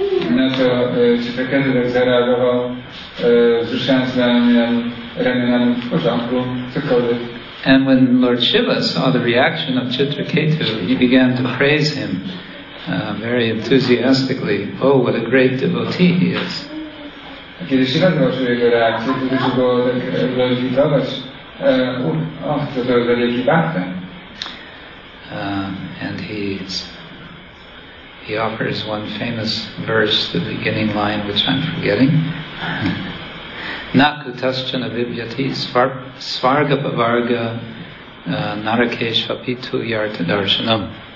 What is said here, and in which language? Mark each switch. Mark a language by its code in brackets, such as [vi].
[pl] No to Chitraketu tak zareagował, wzruszając na ramionami, w porządku, cokolwiek. [en] And when Lord Shiva saw the reaction of Chitraketu, he began to praise him very enthusiastically. Oh, what a great devotee he is. [pl] Kiedy Shiva zobaczył jego reakcję, to zaczął go tak glorifikować. Och, co to za wielki bhakta. [en] And he offers one famous verse, the beginning line, which I'm forgetting. [sa] Nakutaschana vibhyati svarga pavarga narakesha pitu yarta darshanam.